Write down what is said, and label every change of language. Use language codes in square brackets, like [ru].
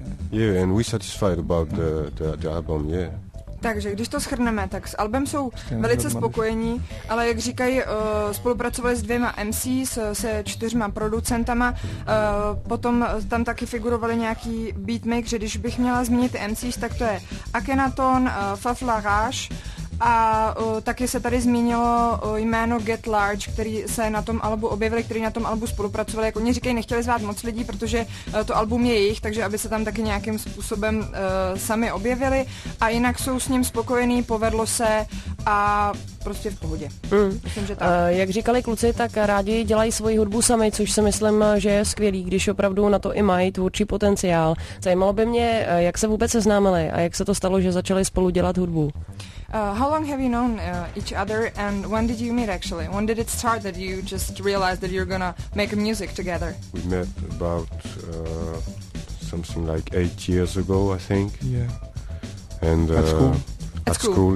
[en] Yeah, and we're satisfied about the album, yeah. [cs] Takže když to shrneme, tak s albem jsou velice spokojení, ale jak říkají, spolupracovali s dvěma MCs, se čtyřma producentama, potom tam taky figurovali nějaký beatmaker, že když bych měla zmínit MCs, tak to je Akhenaton, Faflaraj a taky se tady zmínilo jméno Get Large, který se na tom albu objevili, který na tom albu spolupracovali. Jak oni říkají, nechtěli zvát moc lidí, protože to album je jejich, takže aby se tam taky nějakým způsobem sami objevili. A jinak jsou s ním spokojení, povedlo se a prostě v pohodě. Myslím, že tak. Jak říkali kluci, tak rádi dělají svoji hudbu sami, což si myslím, že je skvělý, když opravdu na to i mají tvůrčí potenciál. Zajímalo by mě, jak se vůbec seznámili a jak se to stalo, že začali spolu dělat hudbu. [en] How long have you known each other, and when did you meet actually? When did it start that you just realized that you're gonna make music together? We met about something like 8 years ago, I think. Yeah. And at school,